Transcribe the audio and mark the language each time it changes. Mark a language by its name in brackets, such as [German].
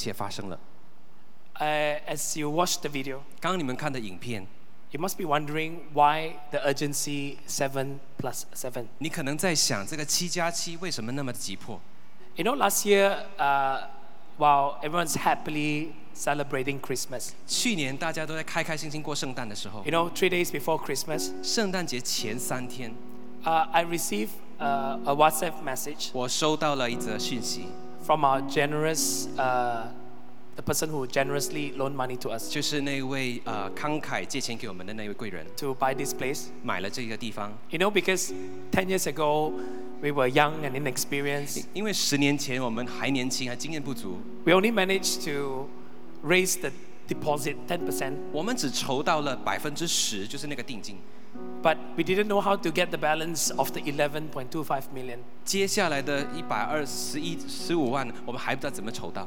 [Chinese] 从心底深处想要感激你们，因为让这一切发生了。 [English] As you watch the video, [Chinese] 刚刚你们看的影片, [English] you must be wondering why the urgency 7+7. [Chinese] 你可能在想这个7+7为什么那么急迫？ [English] You know, last year, while everyone's happily celebrating Christmas, [Chinese] 去年大家都在开开心心过圣诞的时候, [English] you know, 3 days before Christmas, [Chinese] 圣诞节前3天, [English] I received a WhatsApp message [Chinese] 我收到了一则讯息, [English] from our generous, the person who generously loaned money to us, [Chinese] 就是那位, 慷慨借钱给我们的那位贵人, [English] to buy this place, [Chinese] 买了这个地方, [English] you know, because 10 years ago, We were young and inexperienced. [Chinese] 因为10年前我们还年轻，还经验不足。 [English] We only managed to raise the deposit 10%. [Chinese] 我们只筹到了10%，就是那个定金。 [English] But we didn't know how to get the balance of the 11.25 million. [Chinese] 接下来的121万，我们还不知道怎么筹到。